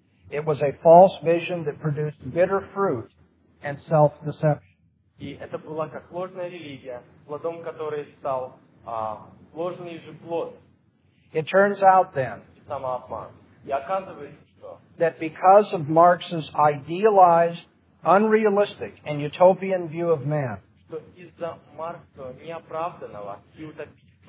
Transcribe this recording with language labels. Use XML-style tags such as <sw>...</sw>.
<en>It was a false vision that produced bitter fruit and self-deception.</en> <ru>И это была как ложная религия, плодом которой стал ложный же плод.</ru> <en>It turns out then</en> <ru>самообман. И оказывается, что</ru> <en>that because of Marx's idealized, unrealistic, and utopian view of man,</en> <ru>что из-за Маркса неоправданного и утопичного</ru>